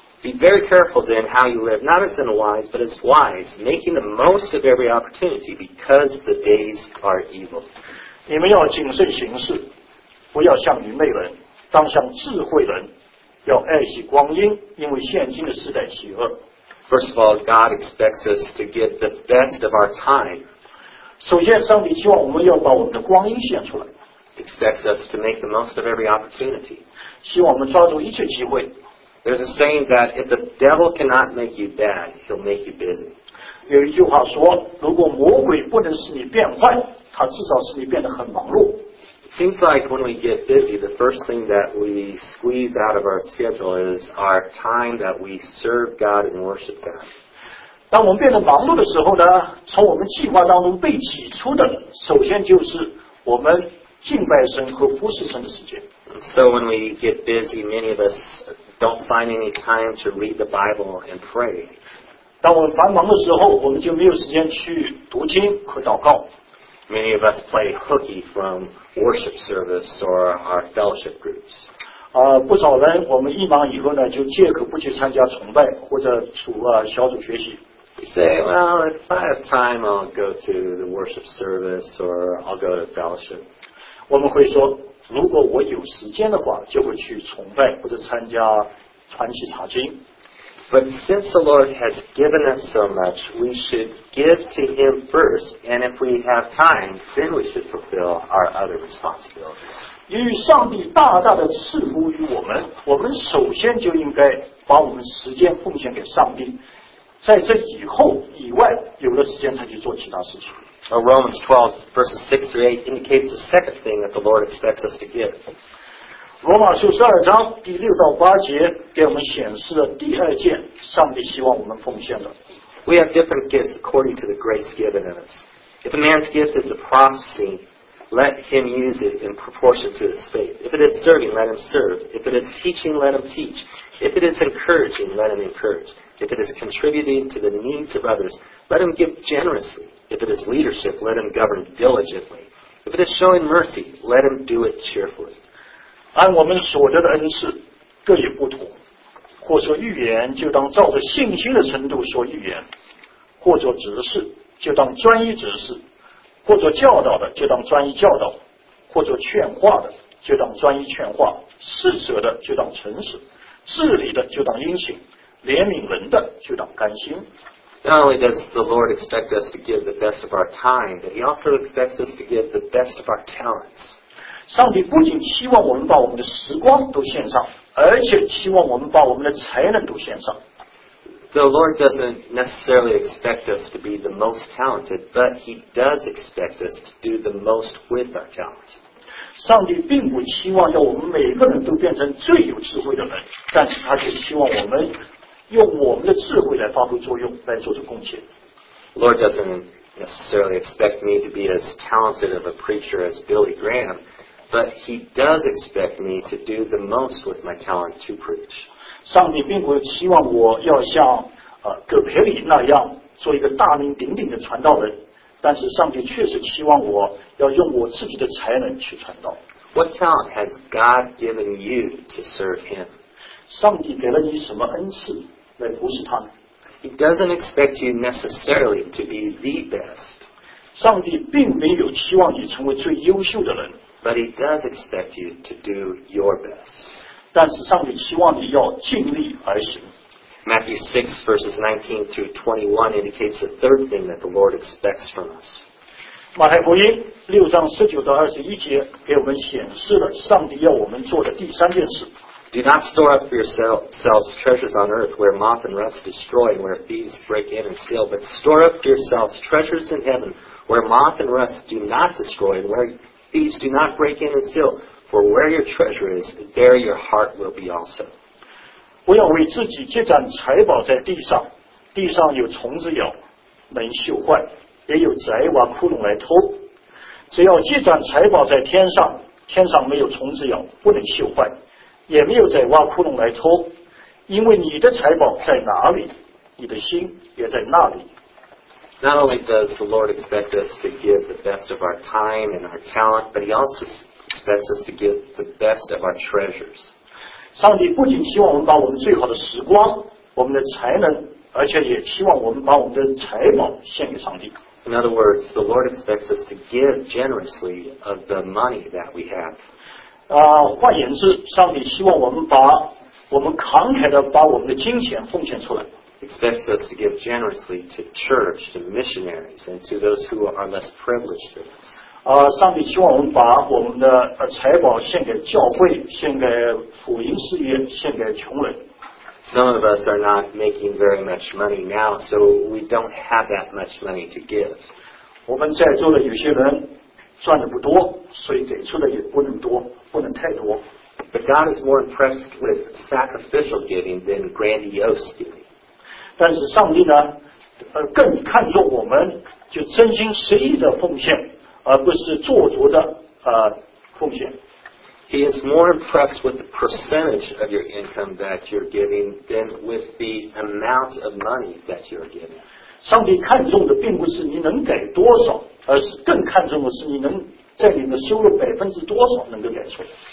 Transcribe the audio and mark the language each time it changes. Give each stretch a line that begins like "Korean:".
English: Be very careful then how you live, not as unwise, but as wise, making the most of every opportunity, because the days are evil.
Chinese: 你们要谨慎行事，不要像愚昧人，当像智慧人，要爱惜光阴，因为现今的世代邪恶。
English: First of all, God expects us to get the best of our time.
Chinese: 首先，上帝希望我们要把我们的光阴献出来。
English: Expects us to make the most of every opportunity.
Chinese: 希望我们抓住一切机会。
English: There's a saying that if the devil cannot make you bad, he'll make you busy.
Chinese: 有一句话说，如果魔鬼不能使你变坏，他至少使你变得很忙碌。
English: It seems like when we get busy, the first thing that we squeeze out of our schedule is our time that we serve God and worship God.
Chinese: 当我们变得忙碌的时候呢，从我们计划当中被挤出的，首先就是我们敬拜神和服侍神的时间。
English: So when we get busy, many of us don't find any time to read the Bible and pray.
Chinese: 当我们繁忙的时候，我们就没有时间去读经和祷告。
English: Many of us play hooky from worship service or our fellowship groups.
Chinese: 不少人我们一忙以后呢，就借口不去参加崇拜或者小组学习。
English: We say, well, if I have time, I'll go to the worship service or I'll go to fellowship.
Chinese: 我们会说如果我有时间的话，就会去崇拜或者参加传习查经。
English: But since the Lord has given us so much, we should give to Him first, and if we have time, then we should fulfill our other responsibilities.
Chinese: 由于上帝大大的赐福于我们，我们首先就应该把我们时间奉献给上帝，在这以后以外，有了时间才去做其他事情。
English: Well, Romans 12, verses 6 through 8 indicates the second thing that the Lord expects us to give.
Chinese: 罗马书十二章第六到八节给我们显示了第二件上帝希望我们奉献的。
English: We have different gifts according to the grace given in us. If a man's gift is a prophecy, let him use it in proportion to his faith. If it is serving, let him serve. If it is teaching, let him teach. If it is encouraging, let him encourage. If it is contributing to the needs of others, let him give generously. If it is leadership, let him govern diligently. If it is showing mercy, let him do it cheerfully.
Chinese: 按我们所得的恩赐各有不同，或说预言就当照着信心的程度说预言，或者指示就当专一指示，或者教导的就当专一教导，或者劝化的就当专一劝化，施舍的就当诚实，治理的就当殷勤，怜悯人的就当甘心。
English: Not only does the Lord expect us to give the best of our time, but He also expects us to give the best of our talents.
Chinese: 上帝不仅希望我们把我们的时光都献上，而且希望我们把我们的才能都献上。
English: The Lord doesn't necessarily expect us to be the most talented, but He does expect us to do the most with our talent.
Chinese: 上帝并不希望要我们每个人都变成最有智慧的人，但是他却希望我们用我们的智慧来发挥作用，来做出贡献。
English: Lord doesn't necessarily expect me to be as talented of a preacher as Billy Graham, but He does expect me to do the most with my talent to preach.
Chinese: 上帝并不希望我要像葛培理那样做一个大名鼎鼎的传道人，但是上帝确实希望我要用我自己的才能去传道。
English: What talent has God given you to serve Him?
Chinese: 上帝给了你什么恩赐来服侍他呢？
English: He doesn't expect you necessarily to be the best.
Chinese: 上帝并没有期望你成为最优秀的人。
English: But He does expect you to do your best.
Chinese: 但是上帝期望你要尽力而行。
English: Matthew 6 verses 19 through 21 indicates the third thing that the Lord expects from us.
Chinese: 马太福音六章十九到二十一节给我们显示了上帝要我们做的第三件事。
English: Do not store up for yourselves treasures on earth where moth and rust destroy and where thieves break in and steal, but store up for yourselves treasures in heaven where moth and rust do not destroy and where thieves do not break in and steal. For where your treasure is, there your heart will be also.
Chinese: 不要为自己积攒财宝在地上，地上有虫子咬，能锈坏，也有贼挖窟窿来偷。只要积攒财宝在天上，天上没有虫子咬，不能锈坏。也没有再挖窟窿来偷，因为你的财宝在哪里，你的心也在那里。
English: Not only does the Lord expect us to give the best of our time and our talent, but He also expects us to give the best of our treasures.
Chinese: 上帝不仅希望我们把我们最好的时光、我们的才能，而且也希望我们把我们的财宝献给上帝。
English: In other words, the Lord expects us to give generously of the money that we have.
Chinese: 换言之，上帝希望我们把我们慷慨地把我们的金钱奉献出来。
English: Expects us to give generously to church, to missionaries, and to those who are less privileged than us.
Chinese: 上帝希望我们把我们的财宝献给教会，献给福音事业，献给穷人。
English: Some of us are not making very much money now, so we don't have that much money to give.
Chinese: 我们在座的有些人赚的不多，所以给出的也不能多。
English: But God is more impressed with sacrificial giving than grandiose giving.
Chinese: 但是上帝呢，更看重我们就真心实意的奉献，而不是做足的奉献。
English: He is more impressed with the percentage of your income that you're giving than with the amount of money that you're giving.
Chinese: 上帝看重的并不是你能给多少，而是更看重的是你能。在你的收入百分之多少能够给出来。